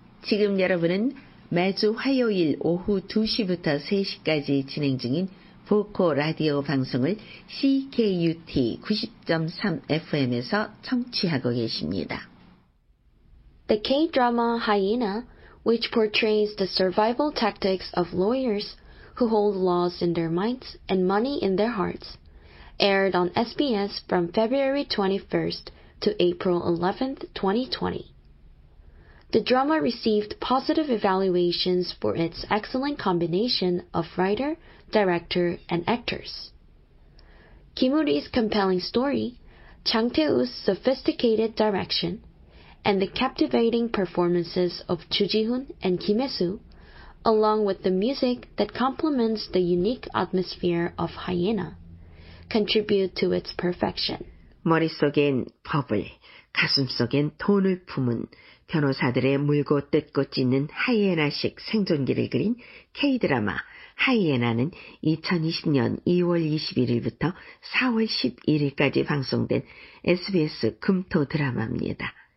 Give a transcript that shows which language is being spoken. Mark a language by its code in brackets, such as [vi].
[ko] 지금 여러분은 매주 화요일 오후 2시부터 3시까지 진행 중인 보코 라디오 방송을 CKUT 90.3 FM에서 청취하고 계십니다. [en] The K-drama Hyena, which portrays the survival tactics of lawyers who hold laws in their minds and money in their hearts, aired on SBS from February 21st to April 11th, 2020. The drama received positive evaluations for its excellent combination of writer, director, and actors. Kim Woo-ri's compelling story, Chang Tae-woo's sophisticated direction, and the captivating performances of Choo Ji-hoon and Kim Hae-soo, along with the music that complements the unique atmosphere of Hyena, contribute to its perfection. [ko] 머릿속엔 버블, 가슴속엔 돈을 품은 변호사들의 물고 뜯고 찢는 하이에나식 생존기를 그린 K-드라마 하이에나는 2020년 2월 21일부터 4월 11일까지 방송된 SBS 금토 드라마입니다.